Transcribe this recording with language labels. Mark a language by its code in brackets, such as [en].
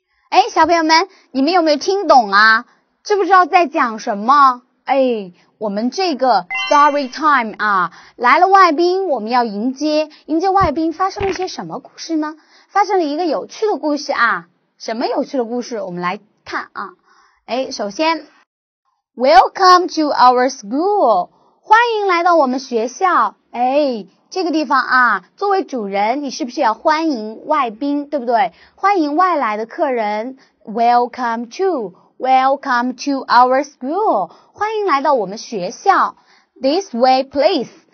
[zh] 哎，小朋友们，你们有没有听懂啊？知不知道在讲什么？哎，我们这个 story time 啊，来了外宾，我们要迎接。迎接外宾发生了一些什么故事呢？发生了一个有趣的故事啊。什么有趣的故事？我们来看啊。哎，首先 [en] Welcome to our school. [zh] 欢迎来到我们学校。哎，这个地方啊，作为主人，你是不是要欢迎外宾，对不对？欢迎外来的客人。 [en] Welcome to our school. [zh] 欢迎来到我们学校。 [en] This way, please.